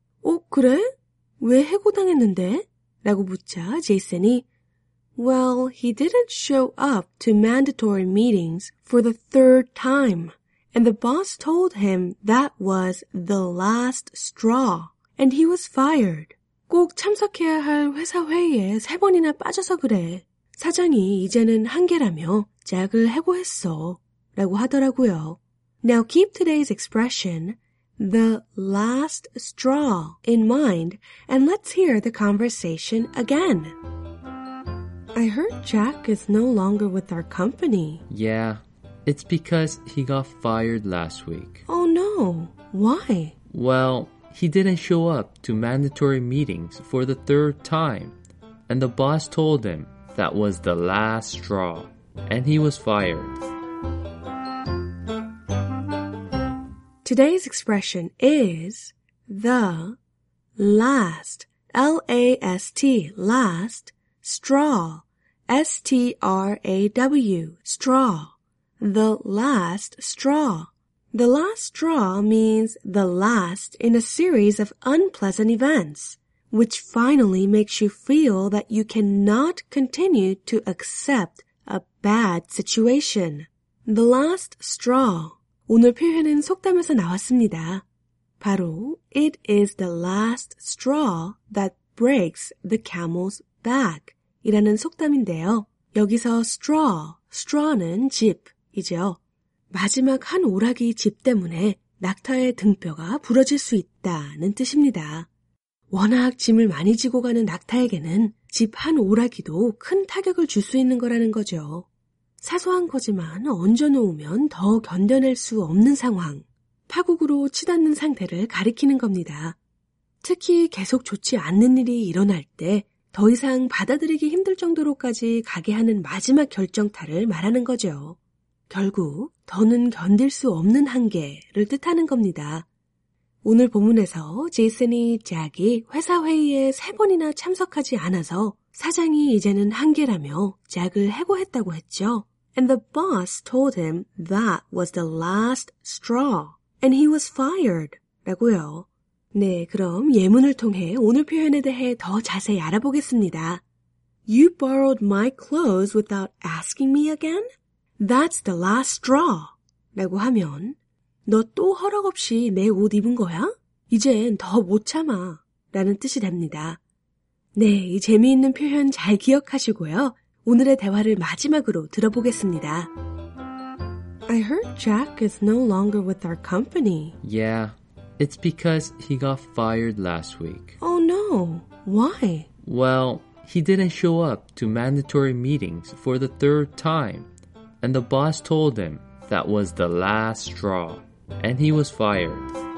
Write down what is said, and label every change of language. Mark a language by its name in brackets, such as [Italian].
[Korean] 어, 그래? 왜 해고당했는데? 라고 묻자 제이슨이 [English] Well, he didn't show up to mandatory meetings for the third time and the boss told him that was the last straw. And he was fired. [Korean] 꼭 참석해야 할 회사 회의에 세 번이나 빠져서 그래. 사장이 이제는 한계라며 잭을 해고했어. 라고 하더라고요. [English] Now keep today's expression, the last straw, in mind, and let's hear the conversation again. I heard Jack is no longer with our company. Yeah, it's because he got fired last week. Oh no, why? Well, he didn't show up to mandatory meetings for the third time, and the boss told him that was the last straw, and he was fired. Today's expression is the last, L-A-S-T, last, straw, S-T-R-A-W, straw, the last straw. The last straw means the last in a series of unpleasant events, which finally makes you feel that you cannot continue to accept a bad situation. The last straw. [Korean] 오늘 표현은 속담에서 나왔습니다. 바로, [English] it is the last straw that breaks the camel's back. [Korean] 이라는 속담인데요. 여기서 straw, straw는 집이죠. 마지막 한 오락이 집 때문에 낙타의 등뼈가 부러질 수 있다는 뜻입니다. 워낙 짐을 많이 지고 가는 낙타에게는 집 한 오락이도 큰 타격을 줄 수 있는 거라는 거죠. 사소한 거지만 얹어놓으면 더 견뎌낼 수 없는 상황, 파국으로 치닫는 상태를 가리키는 겁니다. 특히 계속 좋지 않는 일이 일어날 때 더 이상 받아들이기 힘들 정도로까지 가게 하는 마지막 결정타를 말하는 거죠. 결국 더는 견딜 수 없는 한계를 뜻하는 겁니다. 오늘 본문에서 제이슨이 잭이 회사 회의에 세 번이나 참석하지 않아서 사장이 이제는 한계라며 잭을 해고했다고 했죠. [English] And the boss told him that was the last straw and he was fired [Korean] 라고요. 네, 그럼 예문을 통해 오늘 표현에 대해 더 자세히 알아보겠습니다. [English] You borrowed my clothes without asking me again? That's the last straw. [Korean] 라고 하면 너 또 허락 없이 내 옷 입은 거야? 이젠 더 못 참아. 라는 뜻이 됩니다. 네, 이 재미있는 표현 잘 기억하시고요. 오늘의 대화를 마지막으로 들어보겠습니다. [English] I heard Jack is no longer with our company. Yeah, it's because he got fired last week. Oh no, why? Well, he didn't show up to mandatory meetings for the third time. And the boss told him that was the last straw, and he was fired.